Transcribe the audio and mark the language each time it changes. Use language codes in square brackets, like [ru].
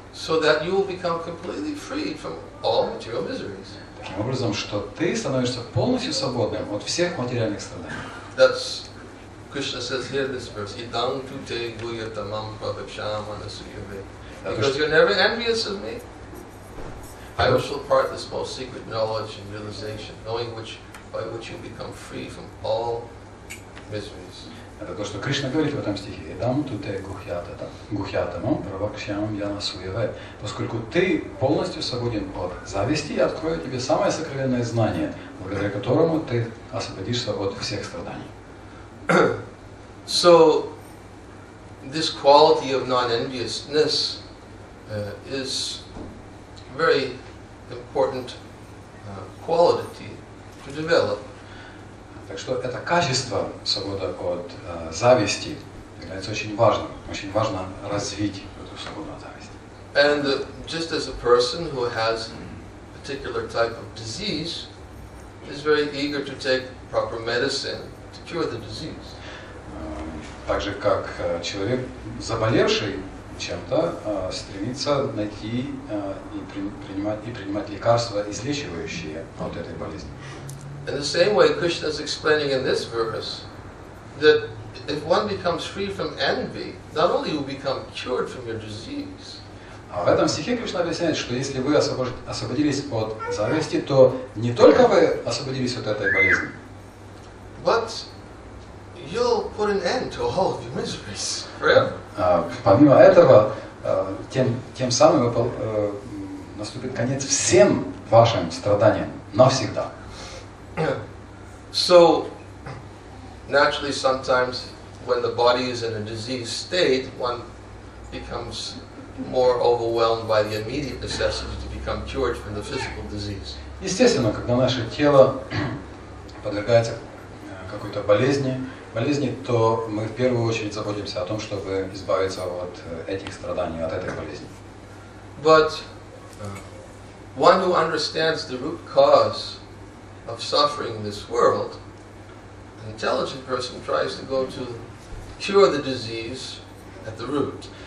[en] So that you will become completely free from all material miseries. [ru] Таким образом, что ты становишься полностью свободным от всех материальных страданий. [en] That's Krishna says here in this verse, [sa] idam tu te guyatamam pravaksham anasuyave. [en] Because you're never envious of me. I also impart this most secret knowledge and realization, knowing which by which you become free from all miseries. [ru] Это то, что Кришна говорит в этом стихе. [sa] Идам ту те гухьятамам правакшьям янасуеве. [ru] Поскольку ты полностью свободен от зависти, я открою тебе самое сокровенное знание, благодаря которому ты освободишься от всех страданий. [en] So, this quality of non-enviousness is very important quality to develop. [ru] Так что это качество свободы от зависти является очень важно развить эту свободу от зависти. [en] And just as a person who has a particular type of disease is very eager to take proper medicine to cure the disease. [ru] Так же, как человек, заболевший чем-то, стремится найти и принимать лекарства, излечивающие от этой болезни. [en] In the same way, Krishna is explaining in this verse that if one becomes free from envy, not only will you become cured from your disease. [ru] А в этом стихе Кришна объясняет, что если вы освободились от зависти, то не только вы освободились от этой болезни, [en] but you'll put an end to all of your miseries forever. [ru] Помимо этого, тем самым наступит конец всем вашим страданиям навсегда. [en] So, naturally, sometimes when the body is in a diseased state, one becomes more overwhelmed by the immediate necessity to become cured from the physical disease. [ru] Естественно, когда наше тело подвергается какой-то болезни, то мы в первую очередь заботимся о том, чтобы избавиться от этих страданий, от этой болезни. [en] But one who understands the root cause of suffering in this world, an intelligent person tries to go to cure the disease at the root.